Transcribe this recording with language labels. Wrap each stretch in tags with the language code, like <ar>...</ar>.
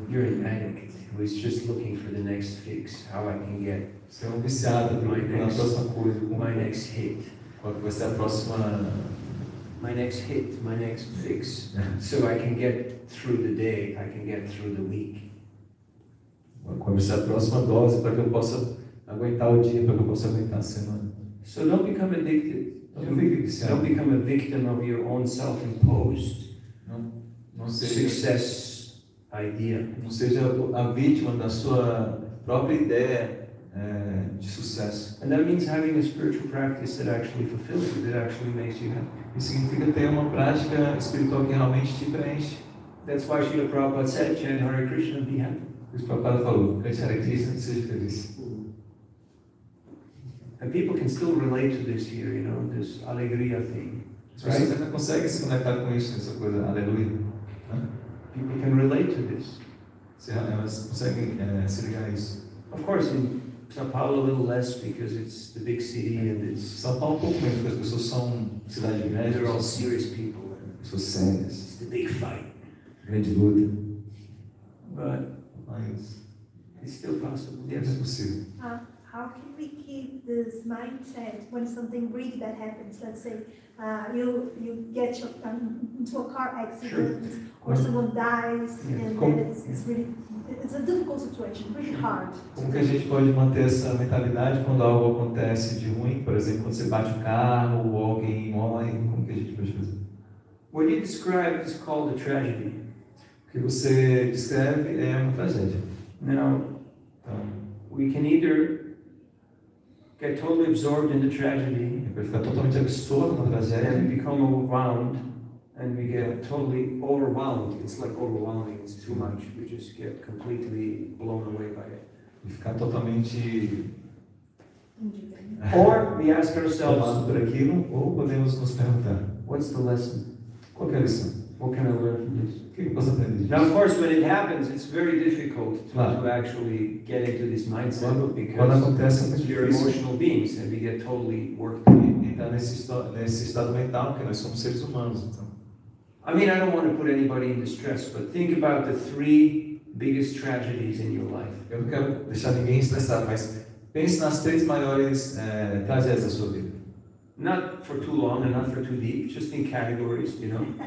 <en>You're an addict who is just looking for the next fix, how I can get.</en> <pt>Você é um viciado procurando a próxima coisa.</pt> <en>My next hit.</en> <pt>Qual vai ser a próxima?</pt> <en>My next hit, my next fix, so I can get through the day, I can get through the week.</en> <pt>Qual vai ser a próxima dose para que eu possa aguentar o dia, para que eu possa aguentar a semana?</pt> <en>So don't become addicted. Don't become a victim of your own self-imposed success idea.</en> <pt>Não seja a vítima da sua própria ideia de sucesso.</pt> <en>And that means having a spiritual practice that actually fulfills you, that actually makes you happy.</en> <pt>Isso significa ter uma prática espiritual que realmente te preenche.</pt> <en>That's why Srila Prabhupada said, chant Hare Krishna and be happy.</en> <pt>Isso Prabhupada falou, cante Hare Krishna e seja feliz.</pt> <en>And people can still relate to this here, you know, this alegria thing. Right?</en> <pt>Você ainda consegue se conectar com isso, essa coisa, aleluia. Huh?</pt> <en>People can relate to this.</en> <pt>Elas conseguem se ligar a isso.</pt> <en>Of course, in São Paulo, a little less, because it's the big city and it's.</en> <pt>São Paulo, pouco menos, porque as pessoas são cidade grande.</pt> <en>They're all serious people.</en> <pt>Pessoas sérias.</pt> <en>It's the big fight.</en> <pt>Grande luta.</pt> <en>But.</en> <pt>Mas.</pt> <en>It's still possible.</en> <pt>Yes. É possível.</pt> <en>How can we keep this mindset when something really bad happens? Let's say you get into a car accident, sure. Or someone dies, and then it's really, it's a difficult situation, really hard.</en> <pt>Como que a gente pode manter essa mentalidade quando algo acontece de ruim? Por exemplo, quando você bate o carro ou alguém morre, como que a gente pode fazer?</pt> <en>What you describe is called a tragedy.</en> <pt>O que você descreve é uma tragédia.</pt> <en>Now,</en> <pt>então,</pt> <en>we can either get totally absorbed in the tragedy.</en> <pt>Totalmente absorvido na tragédia.</pt> <en>And become overwhelmed, and we get totally overwhelmed. It's like overwhelming. It's too much. We just get completely blown away by it.</en> <pt>E ficar totalmente.</pt> <en>Or we ask ourselves.</en> <pt>Tomado por aquilo, ou podemos nos perguntar.</pt> <en>What's the lesson?</en> <pt>Qual que é a lição?</pt> <en>What can I learn from this?</en> <pt>Que posso aprender disso?</pt> <en>Now, of course, when it happens, it's very difficult to,</en> <pt>claro,</pt> <en>to actually get into this mindset.</en> <pt>Quando,</pt> <en>because</en> <pt>acontece,</pt> <en>we're</en> <pt>difícil.</pt> <en>Emotional beings and we get totally worked up.</en> <pt>Então, nesse estado mental, porque nós somos seres humanos, então.</pt> <en>I mean, I don't want to put anybody in distress, but think about the three biggest tragedies in your life.</en> <pt>Eu não quero deixar ninguém estressado, mas pense nas três maiores tragédias da sua vida.</pt> <en>Not for too long and not for too deep, just in categories, you know.</en>